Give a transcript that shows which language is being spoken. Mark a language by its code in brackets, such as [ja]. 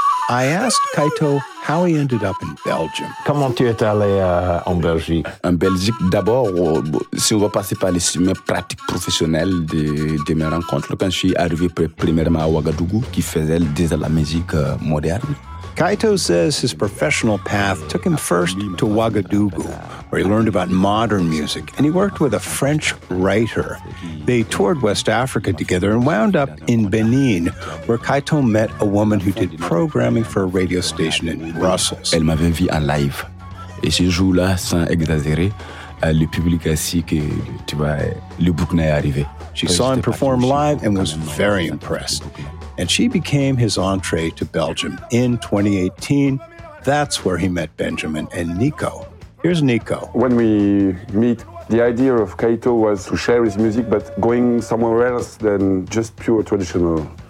[en] I asked Kaito how he ended up in Belgium. [fr] Comment tu es allé en Belgique? En Belgique, d'abord, si on va passer par les chemins pratiques professionnels de mes rencontres, quand je suis arrivé premièrement à Ouagadougou, qui faisait déjà la musique moderne. [en] Kaito says his professional path took him first to Ouagadougou, where he learned about modern music, and he worked with a French writer. They toured West Africa together and wound up in Benin, where Kaito met a woman who did programming for a radio station in Brussels. [fr] Elle m'avait vu en live. Et ce jour-là, sans exagérer, le public a su que tu vois, le Burkina est arrivé. [en] She saw him perform live and was very impressed. And she became his entree to Belgium in 2018. That's where he met Benjamin and Nico. Here's Nico. When we meet, the idea of Kaito was to share his music, but going somewhere else than just pure traditional.